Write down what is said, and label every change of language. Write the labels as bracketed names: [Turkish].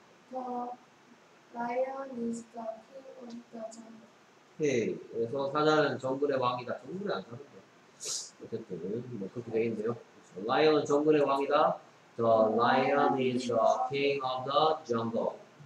[English] The lion is the king of the jungle. [Korean] 오케이. 그래서 사자는 정글의 왕이다. 정글이 안 사는데. 어쨌든 뭐 그렇게 돼 있네요. 그래서 라이언은 정글의 왕이다. [English] The lion is the king of the jungle.